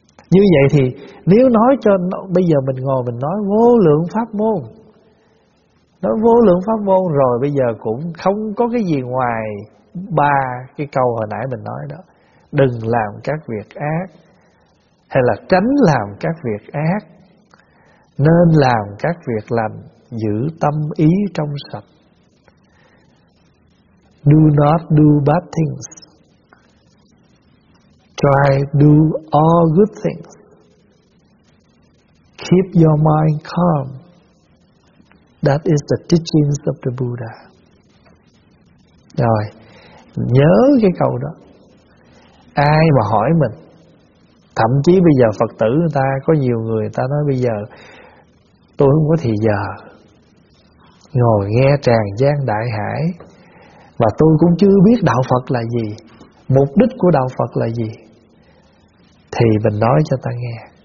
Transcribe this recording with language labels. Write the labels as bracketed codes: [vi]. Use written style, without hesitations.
[vi] Như vậy thì nếu nói cho bây giờ mình ngồi mình nói vô lượng pháp môn, nói vô lượng pháp môn rồi bây giờ cũng không có cái gì ngoài ba cái câu hồi nãy mình nói đó. Đừng làm các việc ác, hay là tránh làm các việc ác, nên làm các việc lành, giữ tâm ý trong sạch. [en] Do not do bad things, try do all good things. Keep your mind calm. That is the teachings of the Buddha. [vi] Rồi, nhớ cái câu đó. Ai mà hỏi mình, thậm chí bây giờ Phật tử người ta, có nhiều người người ta nói bây giờ tôi không có thì giờ ngồi nghe tràng giang đại hải, và tôi cũng chưa biết đạo Phật là gì, mục đích của đạo Phật là gì, thì mình nói cho ta nghe.